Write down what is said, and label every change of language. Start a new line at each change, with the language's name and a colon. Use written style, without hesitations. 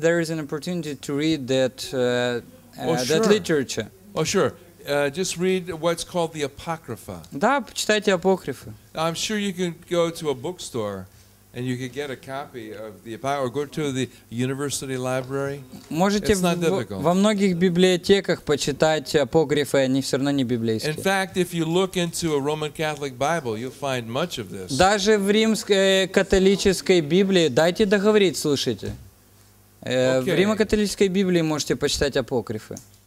English: there is an opportunity to read that that literature. Oh sure. Just read what's called the Apocrypha.
Russian: Да, читайте апокрифы.
English: I'm sure you can go to a bookstore and you can get a copy of the Apocrypha, or go to the university library.
Russian: Можете
English: It's not difficult.
Russian: Во многих библиотеках почитать апокрифы, они все равно не библейские.
English: In fact, if you look into a Roman Catholic Bible, you'll find much of this.
Russian: Даже в римской католической Библии, дайте договорить, слушайте.
English: Okay.
Russian: В римо-католической Библии можете почитать апокрифы.